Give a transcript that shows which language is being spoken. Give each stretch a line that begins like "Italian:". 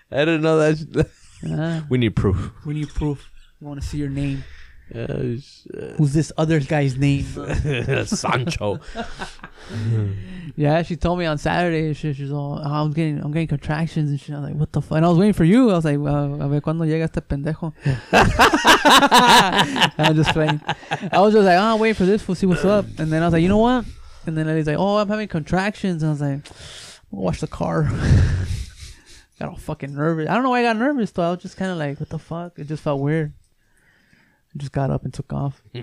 English: I didn't know that. We need proof. We need proof. We want to see your name. Shit. Who's this other guy's name? Sancho. Yeah, she told me on Saturday. She's all, I'm getting contractions and shit. I'm like, what the fuck? And I was waiting for you. I was like,
Spanish: a ver cuando llega este pendejo.
English: I'm just playing. I was just like, oh, I'm waiting for this. We'll see what's up. And then I was like, you know what? And then he's like, oh, I'm having contractions. And I was like, I'll watch the car. Got all fucking nervous. I don't know why I got nervous though. I was just kind of like, what the fuck? It just felt weird. Just got up and took off.